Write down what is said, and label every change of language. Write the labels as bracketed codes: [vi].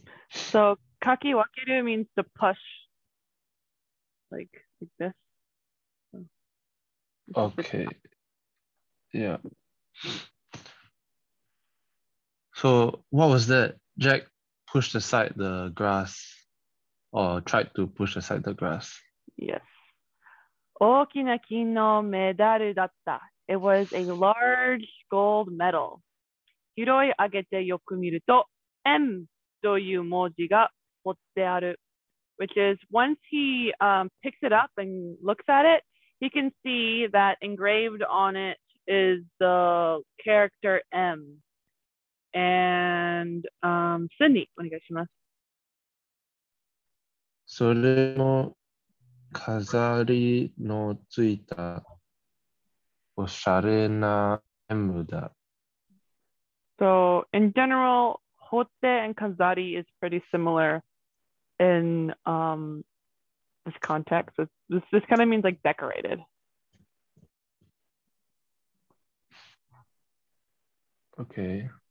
[en] So, kaki wakiru means to push, like this. Okay. Yeah. So, what was that? Jack pushed aside the grass, or tried to push aside the grass. Yes. [ja] 大きな金のメダルだった。 [en] It was a large gold medal. [ja] 拾い上げてよく見ると、M という文字が彫ってある。 [en] Which is, once he picks it up and looks at it, he can see that engraved on it is the character M. And Sydney, [ja] お願いします。それも飾りのついたおしゃれな M だ。 [en] So, in general,Hote and Kanzari is pretty similar in this context. This kind of means like decorated. Okay.